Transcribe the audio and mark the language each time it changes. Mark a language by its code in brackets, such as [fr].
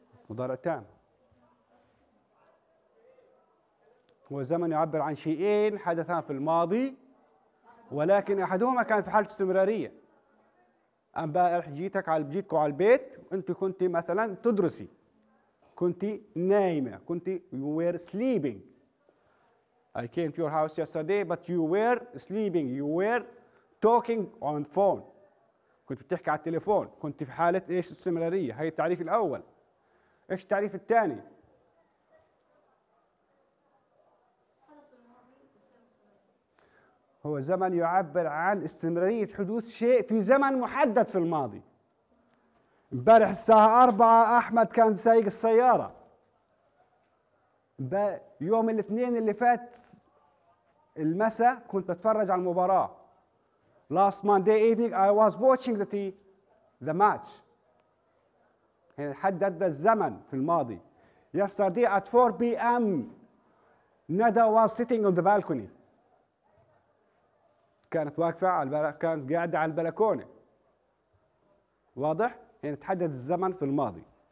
[ar] مضارع تام هو زمن يعبر عن شيئين حدثان في الماضي ولكن احدهما كان في حاله استمراريه. امبارح جيتك على جيتكم على البيت وانت كنت مثلا تدرسي، كنت نايمه، كنت [en] you were sleeping. I came to your house yesterday, but you were sleeping. You were talking on phone. [ar] كنت بتحكي على التليفون. كنت في حالة إيش استمرارية. هاي التعريف الأول. إيش التعريف الثاني؟ هو زمن يعبر عن استمرارية حدوث شيء في زمن محدد في الماضي. امبارح الساعة 4 أحمد كان سايق السيارة. يوم الاثنين اللي فات المساء كنت بتفرج على المباراة. [en] Last Monday evening I was watching the match. [ar] يعني حدد الزمن في الماضي. [en] Yesterday at 4 p.m. ندى was sitting on the balcony. [ar] كانت واقفة على كانت قاعدة على البلكونة. واضح؟ يعني تحدد الزمن في الماضي.